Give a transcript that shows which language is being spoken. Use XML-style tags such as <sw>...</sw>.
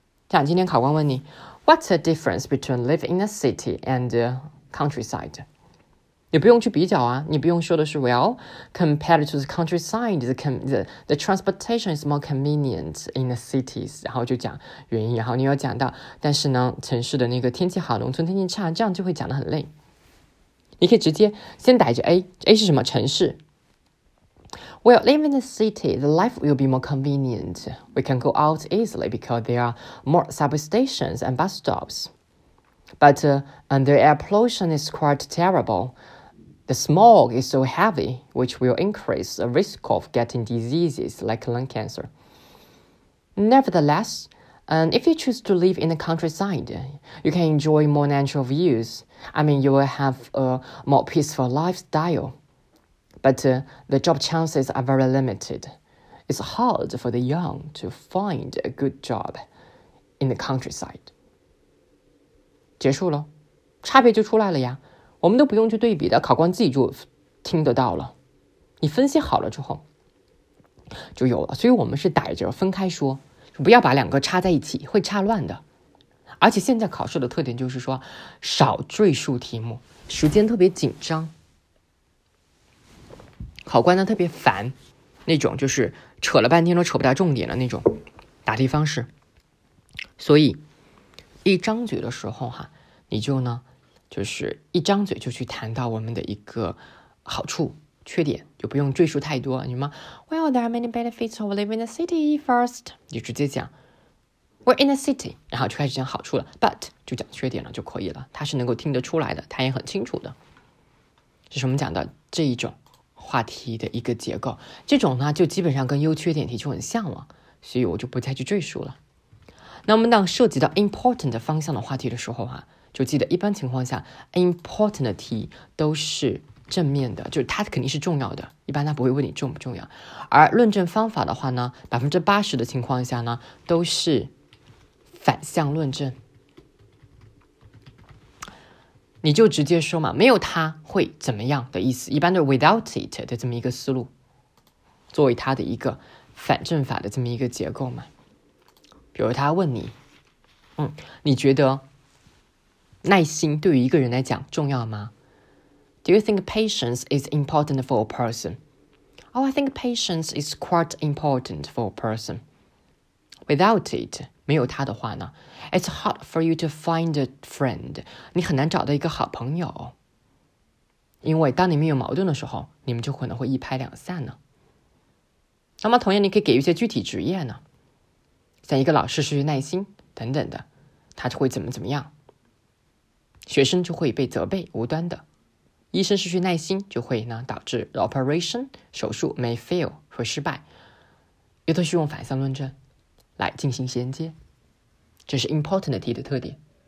<zh>像今天考官问你</zh> <en>What's the difference between living in a city and the countryside，</en> <zh>你不用去比较啊，你不用说的是</zh> <en>Well compared to the countryside the transportation is more convenient in the cities，</en> <zh>然后就讲原因，然后你又讲到但是呢城市的那个天气好，农村天气差，这样就会讲得很累。你可以直接先逮着 A 是什么城市。</zh> <en>Well, living in the city, the life will be more convenient. We can go out easily because there are more subway stations and bus stops. But and the air pollution is quite terrible. The smog is so heavy, which will increase the risk of getting diseases like lung cancer. Nevertheless, and if you choose to live in the countryside, you can enjoy more natural views. I mean, you will have a more peaceful lifestyle. But the job chances are very limited. It's hard for the young to find a good job in the countryside.</en> <zh>结束了，差别就出来了呀，我们都不用去对比的，考官自己就听得到了。你分析好了之后就有了，所以我们是逮着分开说，不要把两个插在一起，会插乱的。而且现在考试的特点就是说少赘述题目，时间特别紧张，考官呢特别烦那种就是扯了半天都扯不到重点的那种答题方式。所以一张嘴的时候哈，你就呢就是一张嘴就去谈到我们的一个好处缺点，就不用赘述太多。</zh> <en>你们 Well, there are many benefits of living in the city first.</en> <zh>你直接讲</zh> <en>We're in the city，</en> <zh>然后就开始讲好处了， But 就讲缺点了就可以了，他是能够听得出来的，他也很清楚的。这是我们讲的这一种话题的一个结构，这种呢就基本上跟优缺点题就很像了，所以我就不再去赘述了。那我们当涉及到 important 方向的话题的时候啊，就记得一般情况下 important 的题都是正面的，就是它肯定是重要的，一般它不会问你重不重要。而论证方法的话呢 80% 的情况下呢都是反向论证，你就直接说嘛，没有它会怎么样的意思，一般的 without it 的这么一个思路，作为它的一个反证法的这么一个结构嘛。比如他问你，你觉得耐心对于一个人来讲重要吗？</zh> <en>Do you think patience is important for a person? Oh, I think patience is quite important for a person. Without it,</en> <zh>没有他的话呢</zh> <en>It's hard for you to find a friend.</en> <zh>你很难找到一个好朋友，因为当你们有矛盾的时候，你们就可能会一拍两散呢。那么同样你可以给一些具体职业呢，但一个老师失去耐心等等的，他就会怎么怎么样，学生就会被责备无端的，医生失去耐心就会呢导致 operation 手术</zh> <en>may fail</en> <zh>会失败，又都是用反向论证来进行衔接，这是 importantity 的特点。</zh>